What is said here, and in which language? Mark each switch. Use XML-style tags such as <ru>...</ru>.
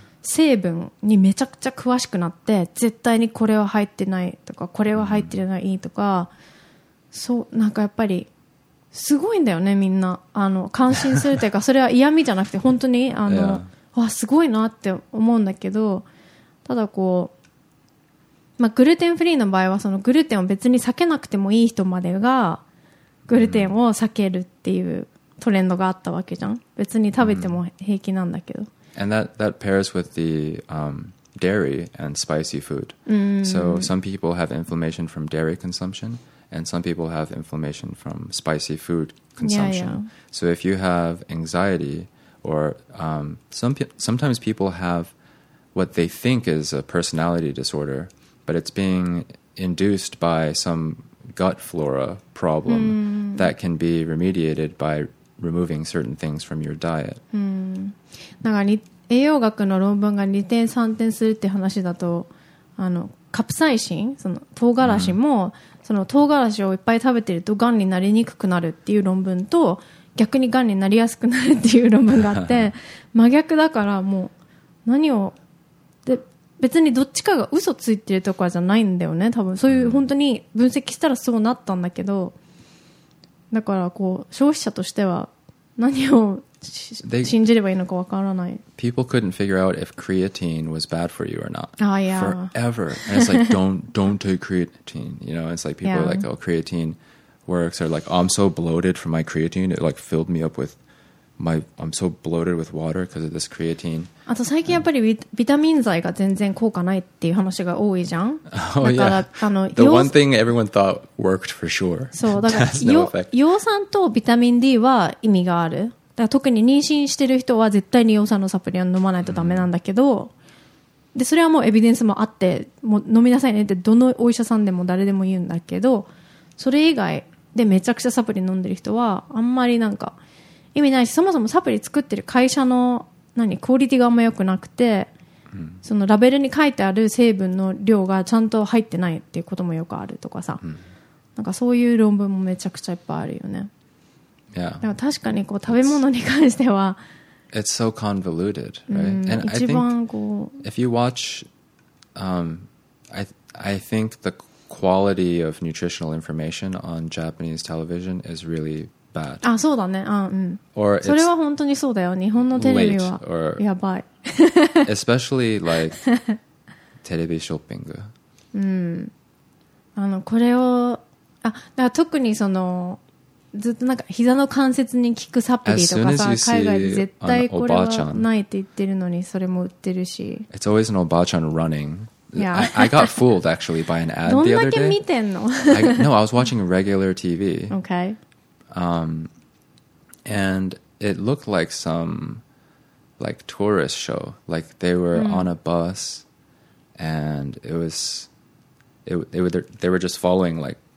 <ja>成分にめちゃくちゃ詳しくなって絶対にこれは入ってないとかこれは入ってないとか、そうなんかやっぱりすごいんだよねみんな、あの感心するというかそれは嫌味じゃなくて本当にあの、yeah. わすごいなって思うんだけど、ただこう、まあ、グルテンフリーの場合はそのグルテンを別に避けなくてもいい人までがグルテンを避けるっていうトレンドがあったわけじゃん、別に食べても平気なんだけど、</ja> <en>And that pairs with the、dairy and spicy food. So some people have inflammation from dairy consumption, and some people have inflammation from spicy food consumption. Yeah, yeah. So if you have anxiety, or sometimes people have what they think is a personality disorder, but it's being induced by some gut flora problem that can be remediated by removing certain things from your diet.</en> <ja>なんか栄養学の論文が2点3点するって話だと、あのカプサイシン、その唐辛子も、その唐辛子をいっぱい食べてるとがんになりにくくなるっていう論文と、逆にがんになりやすくなるっていう論文があって真逆だから、もう何をで別にどっちかが嘘ついてるとかじゃないんだよね、多分そういう本当に分析したらそうなったんだけど、だからこう消費者としては何を信じればいいのか分からない。</ja> <en>People couldn't figure out if creatine was bad for you or not. Oh, yeah. Forever. And it's like, don't take creatine. You know, it's like people are like, oh, creatine works. Or like, oh, I'm so bloated from my creatine. It like filled me up with my, I'm so bloated with water because of this creatine.</en> <ja>あと最近やっぱりビタミン剤が全然効果ないっていう話が多いじゃん。</ja> <en>Oh, yeah. あの、The one thing everyone thought worked for sure.</en> <ja>そう、だから葉酸とビタミン D は意味がある。だ特に妊娠してる人は絶対に葉酸のサプリを飲まないとダメなんだけど、でそれはもうエビデンスもあって、もう飲みなさいねってどのお医者さんでも誰でも言うんだけど、それ以外でめちゃくちゃサプリ飲んでる人はあんまりなんか意味ないし、そもそもサプリ作ってる会社の何クオリティがあんま良くなくて、そのラベルに書いてある成分の量がちゃんと入ってないっていうこともよくあるとかさ、なんかそういう論文もめちゃくちゃいっぱいあるよね。 Yeah. でも確かにこう食べ物に関しては</ja> <en>It's so convoluted, right? And I think if you watch, I think the quality of nutritional information on Japanese television is really bad.</en> <ja>あ、そうだね。あ、うん。</ja> <en>Or</en> <ja>それは本当にそうだよ。日本のテレビはやばい。</ja> <en>Especially like テレビショッピング。うん。</en> <ja>あの、これを、あ、だから特にそのずっとなんか膝の関節に効くサプリとかさ、海外で絶対これはないって言ってるのにそれも売ってるし。</ja> <en>It's always an obachan running. Yeah. I got fooled actually by an ad the other day. どんだけ見てんの？ No, I was watching regular TV. Okay. And it looked like some like tourist show. Like they were on a bus, and it was they were just following like.</en>